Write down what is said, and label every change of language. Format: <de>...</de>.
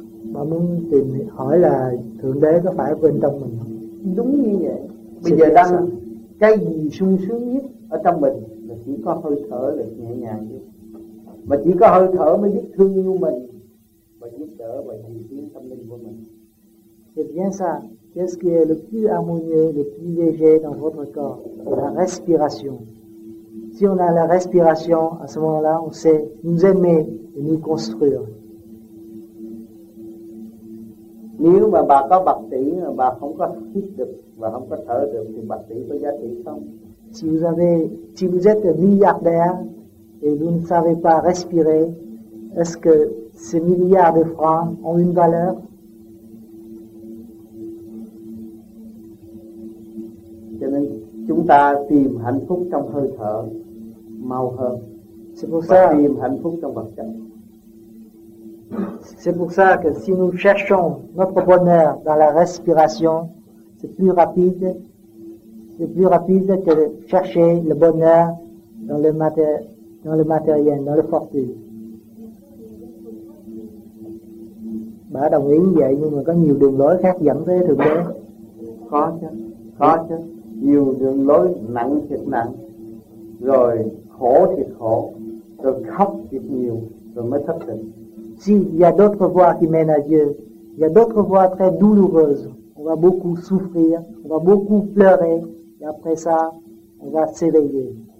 <vi>Mà muốn tìm hỏi là Thượng Đế có phải bên trong mình không? Đúng như vậy. Bây giờ đang cái gì sung sướng nhất ở trong mình là chỉ có hơi thở là nhẹ nhàng chứ. Mà chỉ có hơi thở mới biết thương yêu mình và giúp đỡ và nhìn tiến tâm linh của mình.</vi> <fr>C'est bien ça. Qu'est-ce qui est le plus harmonieux, le plus léger dans votre corps? C'est la respiration. Si on a la respiration, à ce moment-là, on sait nous aimer et nous construire.</fr> <vi>Nếu mà bà có bạch tỷ mà bà không có hít được và không có thở được thì bạch tỷ có giá trị không?</vi> <fr>Si vous êtes milliardaire et vous ne savez pas respirer, est-ce que ces milliards de francs ont une valeur?</fr> <vi>Cho nên chúng ta tìm hạnh phúc trong hơi thở mau hơn.</vi> <fr>C'est pour ça.</fr> <vi>Tìm hạnh phúc trong vật chất.</vi> <fr>C'est pour ça que si nous cherchons notre bonheur dans la respiration, c'est plus rapide que de chercher le bonheur dans le matériel, dans le fortune.</fr> <vi>Bà đồng ý vậy, nhưng mà có nhiều đường lối khác dẫn tới thượng đế. Khó chứ. Nhiều đường lối nặng thiệt nặng, rồi khổ thiệt khổ, rồi khóc thiệt nhiều, rồi mới thất tình.</vi> <fr>Si, il y a d'autres voies qui mènent à Dieu, il y a d'autres voies très douloureuses. On va beaucoup souffrir, on va beaucoup pleurer, et après ça, on va s'éveiller.</fr>